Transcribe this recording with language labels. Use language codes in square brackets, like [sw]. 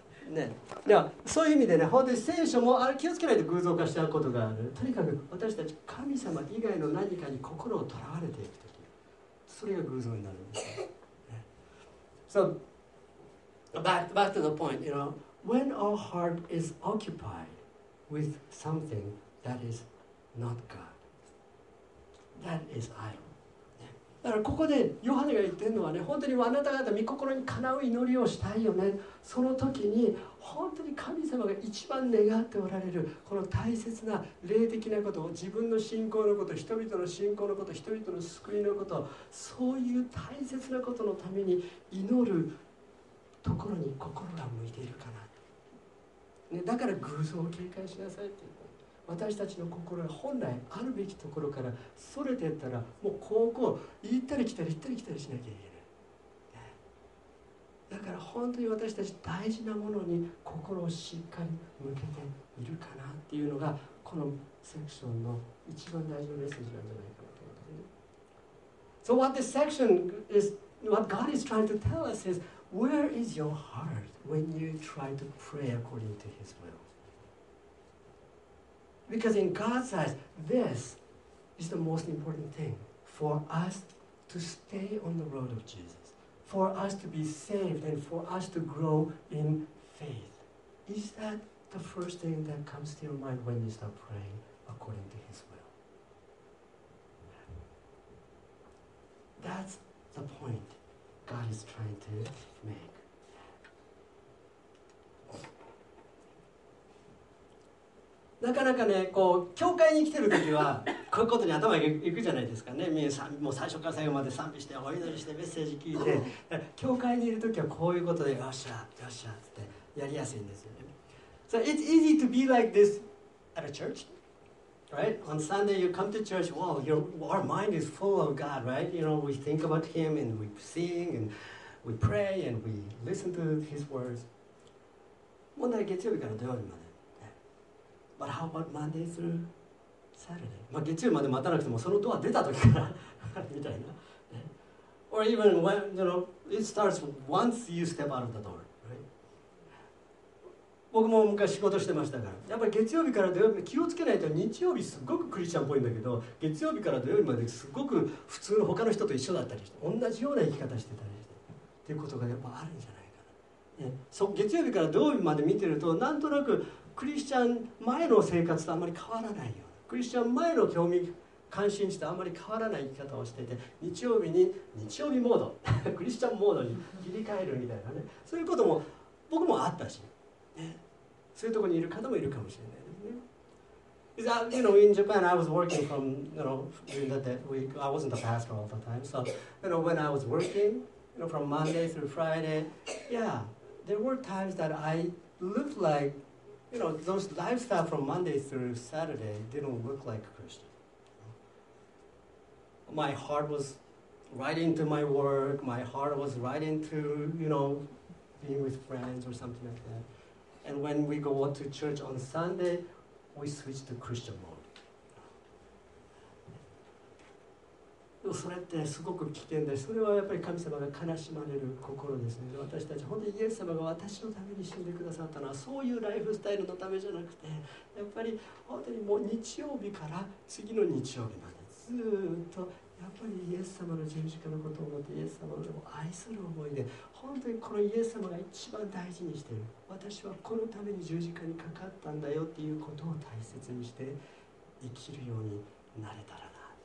[ja] ね、そういう意味でね、本当に聖書も気をつけないと偶像化しちゃうことがある。とにかく私たち神様以外の何かに心をとらわれていくと。それが偶像になるんです。 [en] So, back to the point, you know, when our heart is occupied with something that is not God, that is idol. [ja] だからここでヨハネが言ってるのはね、本当にあなた方御心にかなう祈りをしたいよね。その時に本当に神様が一番願っておられるこの大切な霊的なことを自分の信仰のこと人々の信仰のこと人々の救いのことそういう大切なことのために祈るところに心が向いているかな、ね、だから偶像を警戒しなさいって言う私たちの心が本来あるべきところからそれていったらもうこうこう行ったり来たり行ったり来たりしなきゃいけないだから本当に私たち大事なものに心をしっかり向けているかなっていうのがこのセクションの一番大事なメッセージなんじゃないかなと思います、ね、 [en] So what this section is, what God is trying to tell us is, where is your heart when you try to pray according to His will? Because in God's eyes, this is the most important thing for us to to stay on the road of Jesus, for us to be saved and for us to grow in faith. Is that the first thing that comes to your mind when you start praying according to His will? That's the point God is trying to make. [ja] なかなかね、こう教会に来てるときはこういうことに頭がいくじゃないですかね。もう最初から最後まで賛美してお祈りしてメッセージ聞いて、教会にいるときはこういうことでよっしゃよっしゃってやりやすいんですよね。 [en] So it's easy to be like this at a church, right? On Sunday you come to church, wow, our mind is full of God, right? You know, we think about Him and we sing and we pray and we listen to His words. [ja] 問題は月曜日から土曜日まで。 [en] But how about Monday through Saturday? [ja] まあ月曜まで待たなくてもそのドア出た時からみたいな。 [en] Or even when, you know, it starts once you step out of the door. [ja] 僕も昔仕事してましたから、やっぱり月曜日から土曜日、気をつけないと日曜日すごくクリスチャンっぽいんだけど、月曜日から土曜日まですごく普通の他の人と一緒だったりして、同じような生き方してたりして、っていうことがやっぱあるんじゃないかな。月曜日から土曜日まで見てると、なんとなくクリスチャン前の生活とあまり変わらないような、クリスチャン前の興味関心値とあまり変わらない生き方をしてて、日曜日に日曜日モード、クリスチャンモードに切り替えるみたいなね、そういうことも僕もあったし、そういうところにいる方もいるかもしれないですね。 [en] You know, in Japan, I was working from, you know, during that week, I wasn't a pastor all the time. So, you know, when I was working, you know, from Monday through Friday, yeah, there were times that I looked like, you know, those lifestyle from Monday through Saturday didn't look like a Christian. My heart was right into my work. My heart was right into, you know, being with friends or something like that. And when we go to church on Sunday, we switch to Christian mode. [ja] でもそれってすごく危険です。それはやっぱり神様が悲しまれる心ですね。私たち、本当にイエス様が私のために死んでくださったのは、そういうライフスタイルのためじゃなくて、やっぱり本当にもう日曜日から次の日曜日まで、ずっとやっぱりイエス様の十字架のことを思って、イエス様を愛する思いで、本当にこのイエス様が一番大事にしている、私はこのために十字架にかかったんだよっていうことを大切にして生きるようになれたらな、